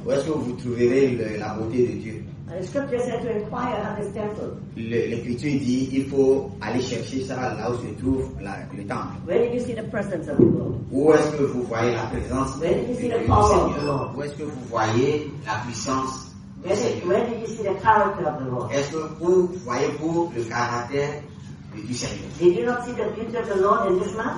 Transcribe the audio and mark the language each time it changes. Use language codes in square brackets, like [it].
[fr] Où est-ce que vous trouverez la beauté de Dieu? [en] And the scripture said to inquire at the temple. [fr] L'écriture dit il faut aller chercher ça là où se trouve le temple. [en] Where did you see the presence of the Lord? [fr] Où est-ce que vous voyez la présence de Dieu? [en] Where did you see the power of the Lord? [fr] Où est-ce que vous voyez la puissance? [en] Where did you see the character of the Lord? [fr] Est-ce que vous voyez-vous le caractère du Seigneur? [en] Did you not see the beauty of the Lord in this man?